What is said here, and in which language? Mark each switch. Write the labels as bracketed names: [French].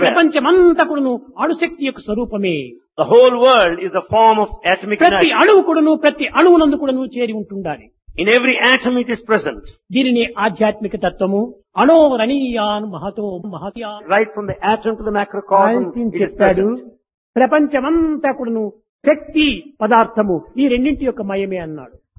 [Telugu] ఈ ప్రపంచమంతా కూడాను అణుశక్తి యొక్క స్వరూపమే. [English] The whole world is a form of atomic energy. [Telugu] ప్రతి అణువు కూడాను ప్రతి అణువునందు కూడాను చేరి ఉంటుండాలి. [English] In every atom it is present. [Telugu] దీనిని ఆధ్యాత్మిక తత్వము [Sanskrit] అణోరణీయాన్ Mahato మహత్యా. [English] Right from the atom to the macrocosm. [Telugu] చెప్పాడు ప్రపంచమంతా కూడాను శక్తి పదార్థము ఈ రెండింటి యొక్క మయమే అన్నాడు.